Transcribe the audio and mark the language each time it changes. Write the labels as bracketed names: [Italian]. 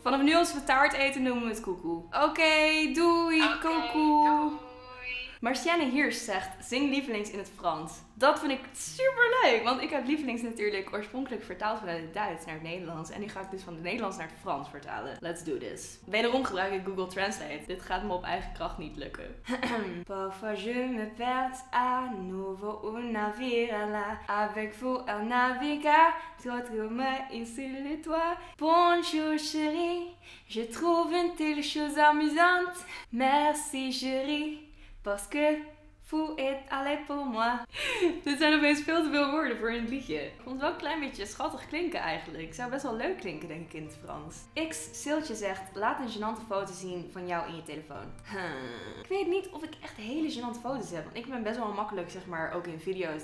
[Dutch] Vanaf nu als we taart eten noemen we het koekoe. Oké, doei, koekoe. Marcianne Hirsch zegt, zing lievelings in het Frans. Dat vind ik superleuk, want ik heb lievelings natuurlijk oorspronkelijk vertaald vanuit het Duits naar het Nederlands. En die ga ik dus van het Nederlands naar het Frans vertalen. [English] Let's do this. [Dutch] Wederom gebruik ik Google Translate. Dit gaat me op eigen kracht niet lukken. [French] Parfois je me perds à nouveau au navire à la. Avec vous à naviguer, toi tu me insulte toi. Bonjour chérie, je trouve une telle chose amusante. Merci chérie. Parce que vous êtes allé pour moi. [Dutch] Dit zijn opeens veel te veel woorden voor een liedje. Ik vond het wel een klein beetje schattig klinken eigenlijk. Zou best wel leuk klinken, denk ik, in het Frans. X Siltje zegt, laat een gênante foto zien van jou in je telefoon. Ik weet niet of ik echt hele gênante foto's heb. Want ik ben best wel makkelijk, zeg maar, ook in video's.